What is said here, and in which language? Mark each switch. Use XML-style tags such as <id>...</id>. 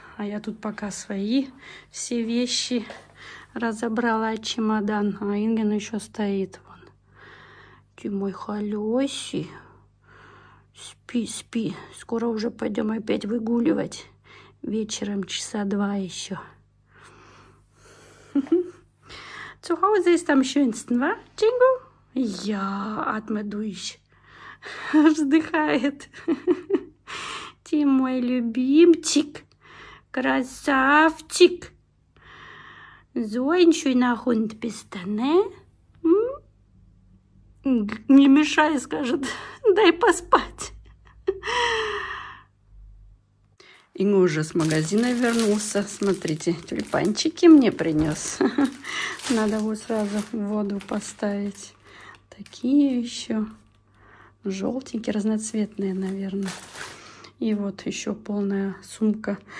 <ru>А я тут пока свои все вещи разобрала, чемодан. А Инген еще стоит. Ты мой холёсий. Спи. Скоро уже пойдем опять выгуливать. Вечером 2 часа еще.</ru> <de>Zu Hause ist am schönsten, wa?</de> <ru>Чингу? Я отмедуюсь. Вздыхает. Ты мой любимчик. Красавчик.</ru> <de>So ein schöner Hund bist du, ne?</de> <ru>Не мешай, скажет, дай поспать. Инго уже с магазина вернулся. Смотрите, тюльпанчики мне принес. Надо его сразу в воду поставить. Такие еще желтенькие, разноцветные, наверное. И вот еще полная сумка.</ru>